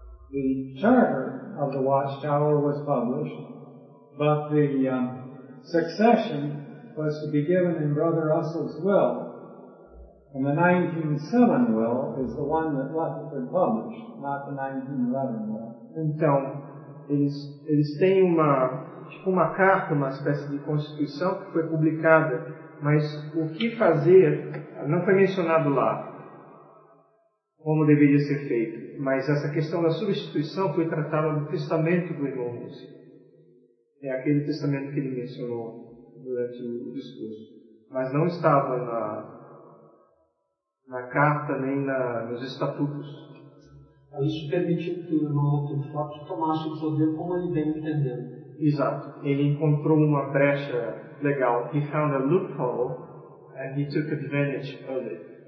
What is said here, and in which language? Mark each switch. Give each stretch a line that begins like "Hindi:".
English: The charter of the Watchtower was published, but the succession was to be given in Brother Russell's will, and the 1907 will is the one that Rutherford published, not the 1911 will.
Portuguese: Então, eles têm uma, tipo uma carta, uma espécie de constituição que foi publicada, mas o que fazer não foi mencionado lá, como deveria ser feito. Mas essa questão da substituição foi tratada no testamento do irmão Lúcio. É aquele testamento que ele mencionou durante o discurso, mas não estava na carta nem nos estatutos. Isso permitiu que o irmão Lutherford tomasse o poder como ele bem entendeu. Exato. Ele encontrou uma brecha legal.
English: He found a loophole and he took advantage of it.